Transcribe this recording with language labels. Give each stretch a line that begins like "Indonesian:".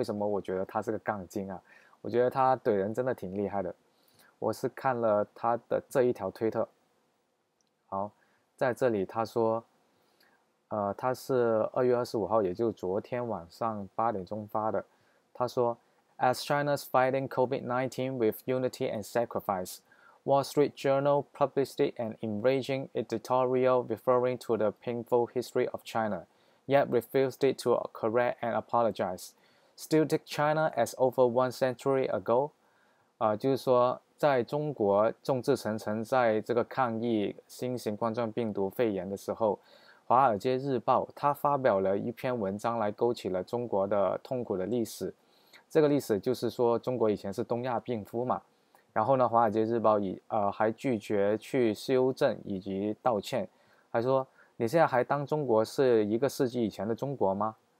Chinese: 为什么我觉得他是个杠精啊？我觉得他怼人真的挺厉害的。我是看了他的这一条推特。好，在这里他说，他是2月25号，也就是昨天晚上8点钟发的。他说
English: ，As China's fighting COVID-19 with unity and sacrifice, Wall Street Journal published an enraging editorial referring to the painful history of China, yet refused to correct and apologize. Still take China as over one century ago.
Chinese: 就是说，在中国众志成城在这个抗议新型冠状病毒肺炎的时候。 《华尔街日报》他发表了一篇文章来勾起了中国的痛苦的历史，这个历史就是说中国以前是东亚病夫嘛，然后呢，《华尔街日报》还拒绝去修正以及道歉，还说你现在还当中国是一个世纪以前的中国吗？